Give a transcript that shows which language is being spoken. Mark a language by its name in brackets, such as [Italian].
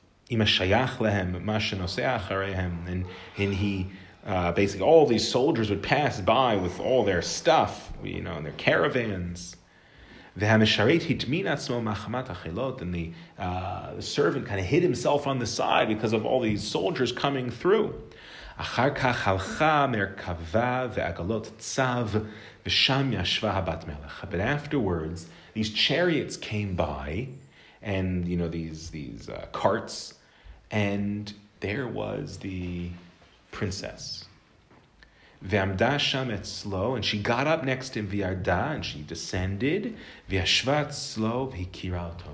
[Hebrew] עם השייך להם מה שנוסע אחריהם. [English] And he... basically, all these soldiers would pass by with all their stuff, you know, in their caravans. [Hebrew] והמשרת התמין עצמו מחמת החילות, [English] and the servant kind of hid himself on the side because of all these soldiers coming through. [Hebrew] אחר כך הלכה מרכבה ועגלות צב, ושם ישבה הבת מלך. [English] But afterwards, these chariots came by, and, you know, these carts, and there was the... princess. [Hebrew] Ve'amda sham etzlo, [English] and she got up next to him, [Hebrew] ve'arda, [English] and she descended, [Hebrew] ve'ashva etzlo, ve'hikira oto.